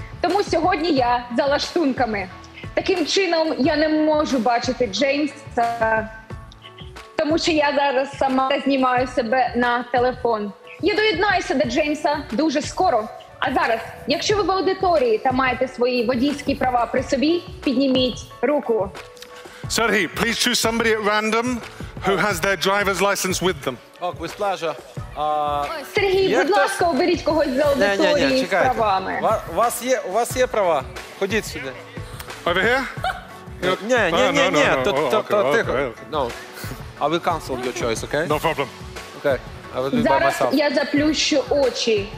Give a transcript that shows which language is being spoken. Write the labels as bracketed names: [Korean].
[Ukrainian] Тому сьогодні я за лаштунками. Таким чином, я не можу бачити Джеймса, тому що я зараз сама знімаю себе на телефон. Я доєднаюся до Джеймса дуже скоро, А зараз, якщо ви в аудиторії та маєте свої водійські права при собі, підніміть руку. [English] Сергій, please choose somebody at random who has their driver's license with them. [Ukrainian] Ок, ви слажа. Сергій, будь ласка, оберіть когось за аудиторією з правами. У вас є права? Ходіть сюди. [English] Over here? [Ukrainian] Ні. Тихо. [English] I will cancel your choice, okay? No problem. Okay. [Ukrainian] Зараз я заплющу очі.